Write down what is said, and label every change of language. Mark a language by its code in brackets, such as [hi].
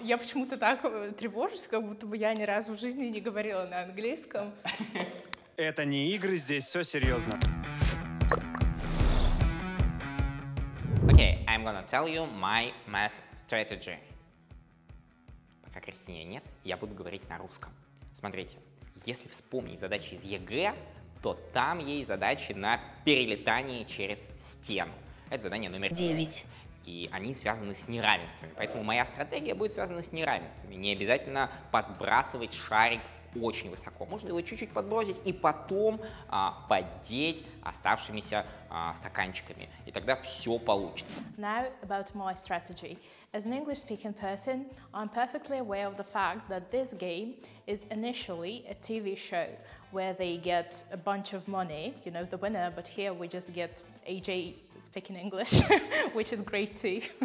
[ru] Я почему-то так тревожусь, как будто бы я ни разу в жизни не говорила на английском. Это не игры, здесь все серьезно. [en] Okay, I'm gonna tell you my math strategy. [ru] Пока Кристине нет, я буду говорить на русском. Смотрите, если вспомнить задачи из ЕГЭ, то там есть задачи на перелетание через стену. Это задание номер 9. И они связаны с неравенствами. Поэтому моя стратегия будет связана с неравенствами. Не обязательно подбрасывать шарик очень высоко. Можно его чуть-чуть подбросить и потом поддеть оставшимися стаканчиками. И тогда все получится. [en] Now about my strategy. As an English-speaking person, I'm perfectly aware of the fact that this game is initially a TV show where they get a bunch of money, you know, the winner, but here we just get AJ speaking English, which is great too.